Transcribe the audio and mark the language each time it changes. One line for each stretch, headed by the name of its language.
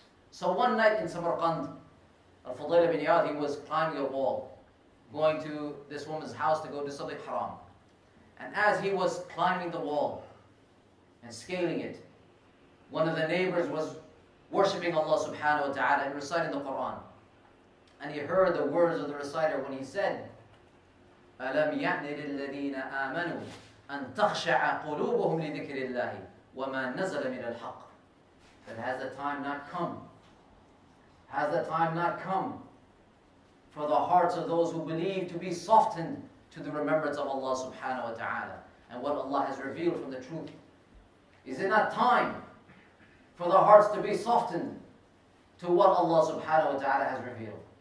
English: So one night in Samarkand, Al-Fadil ibn Iyad, he was climbing a wall, going to this woman's house to go do something haram. And as he was climbing the wall and scaling it, one of the neighbors was worshipping Allah subhanahu wa ta'ala and reciting the Quran. And he heard the words of the reciter when he said,
Arabic: أَلَمْ يَعْنِ لِلَّذِينَ آمَنُوا أَن تَخْشَعَ قُلُوبُهُمْ لِذِكْرِ اللَّهِ وَمَا نَزَلَ مِنَ الْحَقِّ.
English: But has the time not come? Has the time not come for the hearts of those who believe to be softened to the remembrance of Allah subhanahu wa ta'ala and what Allah has revealed from the truth? Is it not time for the hearts to be softened to what Allah subhanahu wa ta'ala has revealed?